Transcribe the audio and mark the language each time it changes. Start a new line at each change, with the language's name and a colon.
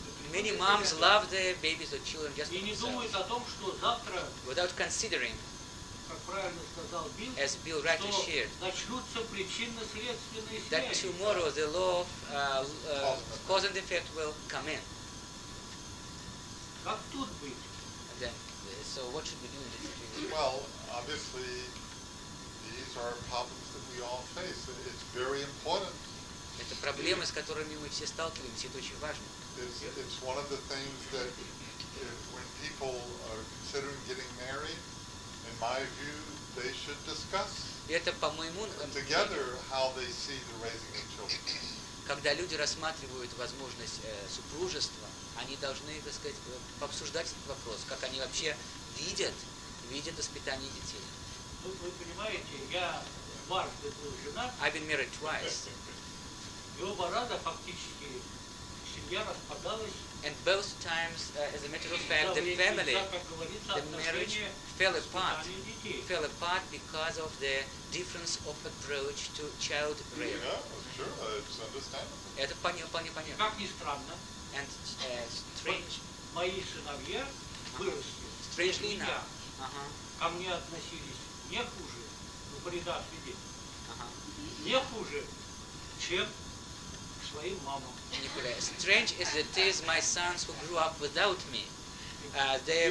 English: Many moms love their babies or children just without considering
Russian: как правильно сказал Билл,
English: as Bill rightly
Russian: что
English: shared,
Russian: начнутся причинно-следственные связи.
English: That tomorrow the law of cause and effect will come in.
Russian: Как тут быть?
English: Then, so what should we do in this situation? Well, obviously, these are problems that we all face. It's very important.
Russian: Это проблемы, с которыми мы все сталкиваемся, это очень важно.
English: It's one of the things that when people are considering getting married, in my view, they should discuss together how they see the raising of children.
Russian: Когда люди рассматривают возможность супружества, они должны, так сказать, пообсуждать этот вопрос, как они вообще видят воспитание детей. Вы понимаете, я дважды был женат.
English: I've been married twice.
Russian: И оба раза фактически семья распадалась.
English: And both times, as a matter of fact, the family, the marriage fell apart because of the difference of approach to child rearing. Yeah, sure, it's understandable.
Russian: Это понятно. Как ни странно.
English: And strange.
Russian: Мои сыновья выросли.
English: Strangely enough.
Russian: Ко мне относились не хуже, ну, при даже не хуже, чем
English: Nicholas. Strange as it is, my sons who grew up without me, they